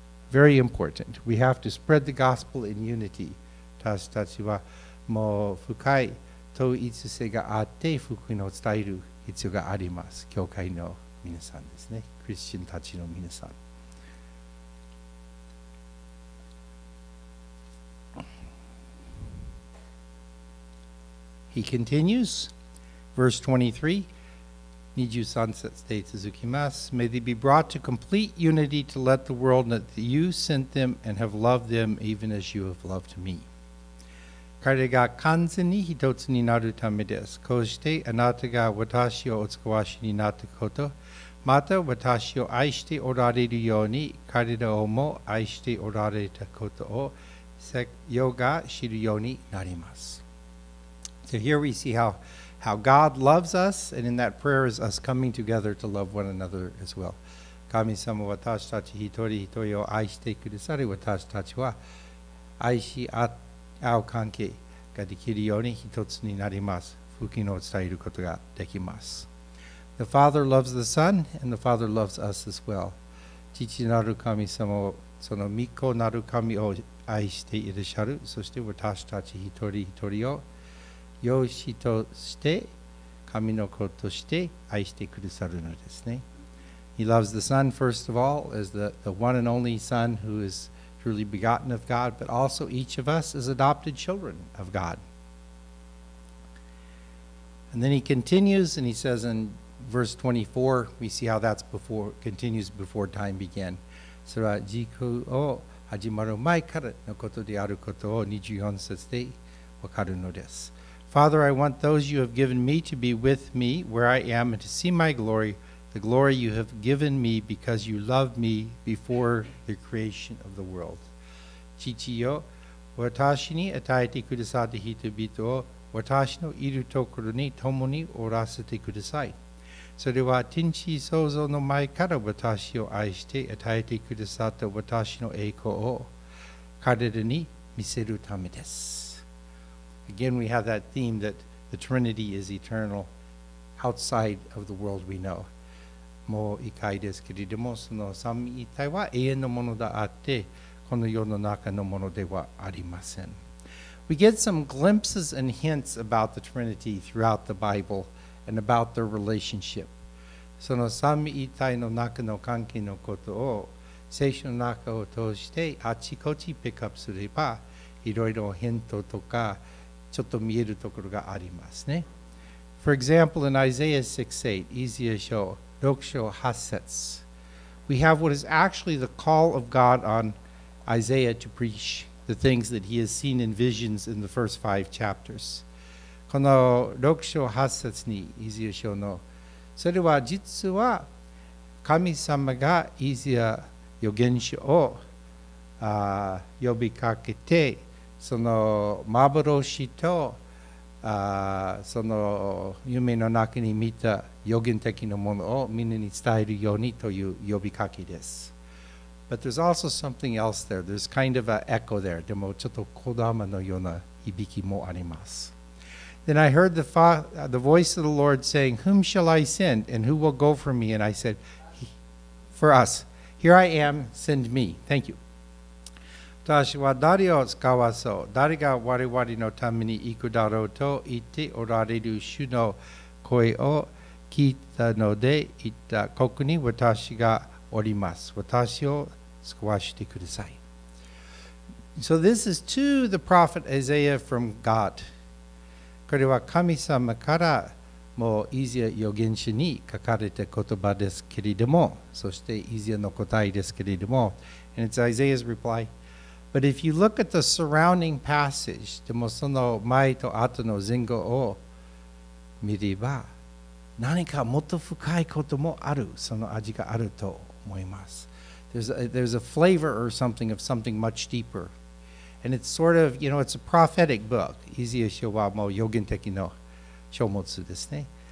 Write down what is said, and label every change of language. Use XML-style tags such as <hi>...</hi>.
<en>Very important. We have to spread the gospel in unity.</en> <ja>私たちはもう深い統一性があって福音を伝える必要があります。教会の皆さんですね。クリスチャンたちの皆さん。</ja> <en>He continues, verse 23.</en> <ja>23節で続きます。</ja> <en>May they be brought to complete unity to let the world know that you sent them and have loved them even as you have loved me.</en> <ja>彼が完全に一つになるためです。こうしてあなたが私をお使わしになったこと、また私を愛しておられるように彼らをも愛しておられたことを世が知るようになります。</ja> <en>So here we see how God loves us, and in that prayer is us coming together to love one another as well.</en> <ja>神様は私たち一人一人を愛してくださり、私たちは愛し合う関係ができるように一つになります。福音を伝えることができます。</ja> <en>The Father loves the Son, and the Father loves us as well.</en> <ja>父なる神様、その御子なる神を愛していらっしゃる、そして私たち一人一人を養子として神の子として愛してくださるのですね。</ja> <en>He loves the Son first of all as the one and only Son who is truly begotten of God, but also each of us is adopted children of God. And then he continues and he says in verse 24, we see how that's continues before time began.</en> <ja>それは時空を始まる前からのことであることを24節でわかるのです。</ja> <en>Father, I want those you have given me to be with me where I am and to see my glory, the glory you have given me because you loved me before the creation of the world.</en> <ja>父よ、私に与えてくださった人々を私のいるところに共におらせてください。それは天地創造の前から私を愛して与えてくださった私の栄光を彼らに見せるためです。</ja> <en>Again, we have that theme that the Trinity is eternal outside of the world we know.</en> <ja>もう一回ですけれども、その三位一体は永遠のものであって、この世の中のものではありません。</ja> <en>We get some glimpses and hints about the Trinity throughout the Bible and about their relationship.</en> <ja>その三位一体の中の関係のことを、聖書の中を通してあちこちピックアップすれば、いろいろヒントとか、ちょっと見えるところがありますね。</ja> <en>For example, in Isaiah 6:8, 6章8節, we have what is actually the call of God on Isaiah to preach the things that he has seen in visions in the first 5 chapters.</en> <ja>この6章8節に、イザヤの、それは実は神様がイザヤ預言者を呼びかけて、その幻とその夢の中に見た予言的なものをみんなに伝えるようにという呼びかけです。</ja> <en>But there's also something else there. There's kind of an echo there.</en> <ja>でもちょっと小玉のような響きもあります。</ja> <en>Then I heard the voice of the Lord saying, Whom shall I send and who will go for me? And I said, For us. Here I am, send me. Thank you.</en> <ja>私は誰を使わそう、誰が我々のために行くだろうと言っておられる主の声を聞いたので言った、ここに私がおります。私を使わせてください。</ja> <en>So this is to the prophet Isaiah from God.</en> <ja>これは神様からもうイザヤ預言者に書かれた言葉ですけれども、そしてイザヤの答えですけれども、</ja> <en>And it's Isaiah's reply. But if you look at the surrounding passage,</en> <ja>でもその前と後の前後を見れば、何かもっと深いこともある、その味があると思います。</ja> <en>There's a flavor or something of something much deeper. And it's sort of, you know, it's a prophetic book.</en> <ja>イザヤ書はもう預言的な書物ですね。</ja>